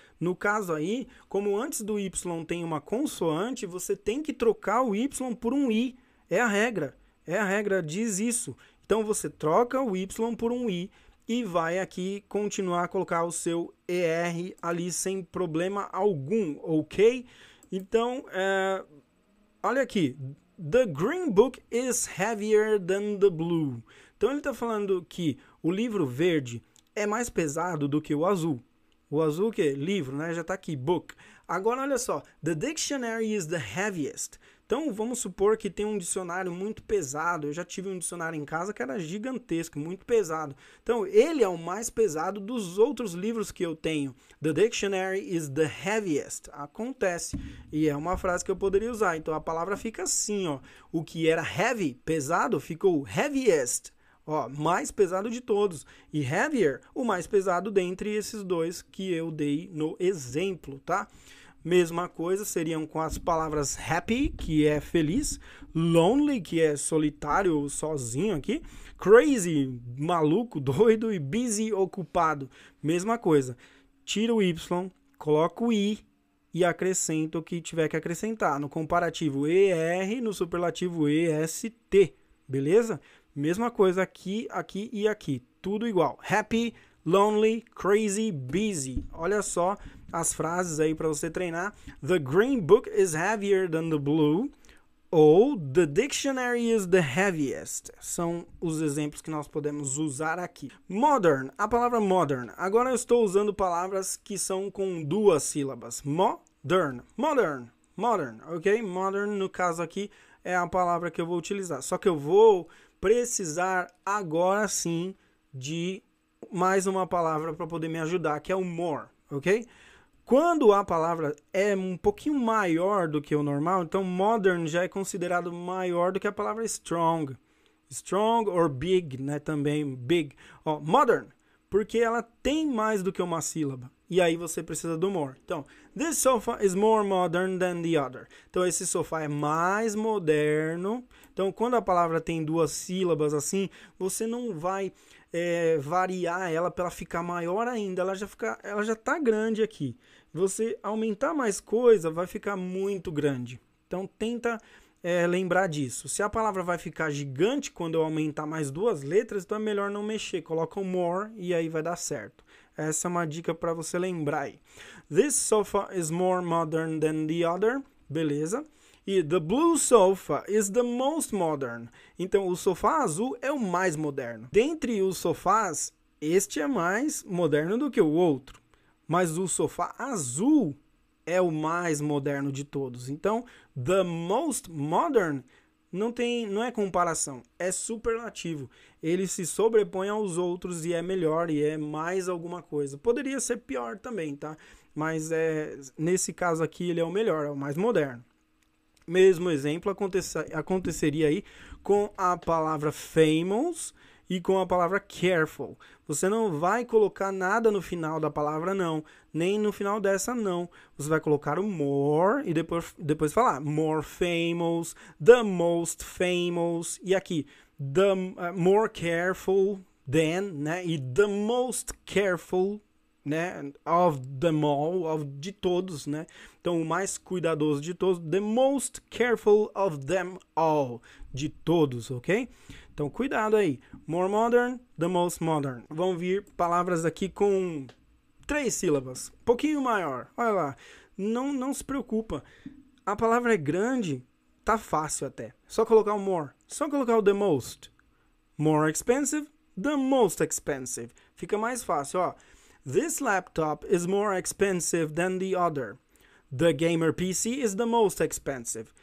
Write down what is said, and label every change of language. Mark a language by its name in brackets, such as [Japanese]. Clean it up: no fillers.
[Portuguese] No caso aí, como antes do Y tem uma consoante, você tem que trocar o Y por um I. É a regra. É a regra, diz isso. Então você troca o Y por um I. E vai aqui continuar a colocar o seu ER ali sem problema algum, ok? Então, olha aqui. [English] The green book is heavier than the blue. [Portuguese] Então ele está falando que o livro verde é mais pesado do que o azul. O azul, o quê? Livro, né? Já está aqui, book. Agora, olha só, [English] the dictionary is the heaviest. [Portuguese] Então, vamos supor que tem um dicionário muito pesado. Eu já tive um dicionário em casa que era gigantesco, muito pesado. Então, ele é o mais pesado dos outros livros que eu tenho. [English] The dictionary is the heaviest. [Portuguese] Acontece. E é uma frase que eu poderia usar. Então, a palavra fica assim, ó. O que era heavy, pesado, ficou heaviest. Ó, mais pesado de todos. E heavier, o mais pesado dentre esses dois que eu dei no exemplo, tá? Mesma coisa seriam com as palavras happy, que é feliz, lonely, que é solitário, sozinho aqui, crazy, maluco, doido, e busy, ocupado. Mesma coisa. Tira o Y, coloca o I e acrescenta o que tiver que acrescentar. No comparativo ER, no superlativo EST. Beleza? Mesma coisa aqui, aqui e aqui. Tudo igual. Happy, lonely, crazy, busy. Olha só as frases aí para você treinar. [English] The green book is heavier than the blue. Ou the dictionary is the heaviest. [Portuguese] São os exemplos que nós podemos usar aqui. Modern, a palavra modern. Agora eu estou usando palavras que são com duas sílabas. Modern, modern, modern. Ok? Modern, no caso aqui, é a palavra que eu vou utilizar. Só que eu vou precisar agora sim de mais uma palavra para poder me ajudar, que é o more, ok? Quando a palavra é um pouquinho maior do que o normal, então modern já é considerado maior do que a palavra strong. Strong or big, né? Também big. Ó, modern, porque ela tem mais do que uma sílaba. E aí você precisa do more. [English] Então, this sofa is more modern than the other. [Portuguese] Então, esse sofá é mais moderno. Então, quando a palavra tem duas sílabas assim, você não vai variar ela para ela ficar maior ainda. Ela já está grande aqui. Você aumentar mais coisa, vai ficar muito grande. Então, tenta lembrar disso. Se a palavra vai ficar gigante quando eu aumentar mais duas letras, então é melhor não mexer. Coloca o more e aí vai dar certo. Essa é uma dica para você lembrar aí. [English] This sofa is more modern than the other. Beleza. E the blue sofa is the most modern. [Portuguese] Então, o sofá azul é o mais moderno. Dentre os sofás, este é mais moderno do que o outro. Mas o sofá azul é o mais moderno de todos. Então, [English] the most modern [Portuguese] não é comparação, é superlativo. Ele se sobrepõe aos outros e é melhor e é mais alguma coisa. Poderia ser pior também, tá? Mas nesse caso aqui ele é o melhor, é o mais moderno. Mesmo exemplo aconteceria aí com a palavra famous e com a palavra careful. Você não vai colocar nada no final da palavra, não. Nem no final dessa, não. Você vai colocar o more e depois falar [English] more famous, the most famous. [Portuguese] E aqui, [English] more careful than, [Portuguese] né? [English] E the most careful, né? Of them all, [Portuguese] de todos, [English] né? [Portuguese] Então, o mais cuidadoso de todos. [English] The most careful of them all. [Portuguese] De todos, ok? Então, cuidado aí. [English] More modern, the most modern. [Portuguese] Vão vir palavras aqui com três sílabas, pouquinho maior. Olha lá. Não se preocupa. A palavra é grande, tá fácil até. Só colocar o more. Só colocar o the most. [English] More expensive, the most expensive. [Portuguese] Fica mais fácil, ó. [English] This laptop is more expensive than the other. The gamer PC is the most expensive.